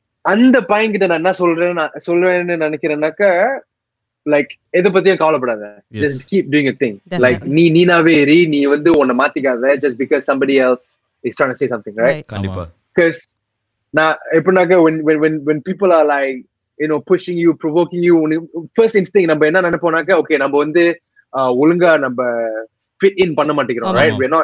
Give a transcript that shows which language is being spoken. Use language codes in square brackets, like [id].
[ta] அந்த பையன் கிட்ட நான் என்ன சொல்றேன்னு நினைக்கிறேன்னாக்க, லைக், எதை பத்தியும் கவலைப்படாத. [en] Just keep doing your thing. [ta] Like, நீ நீனாவே ஏறி, நீ வந்து உன்னை மாத்திக்காத. [en] Just because somebody else is trying to say something, right? [ta] கண்டிப்பா. [en] Because [ta] நான் எப்படின்னாக்க, [en] when people are like, you know, pushing you, provoking you, first instinct [ta] நம்ம என்ன நினைப்போம்னாக்க, [en] okay, [ta] நம்ம வந்து ஒழுங்கா நம்ம fit in பண்ண மாட்டேங்கிறோம், [en] right?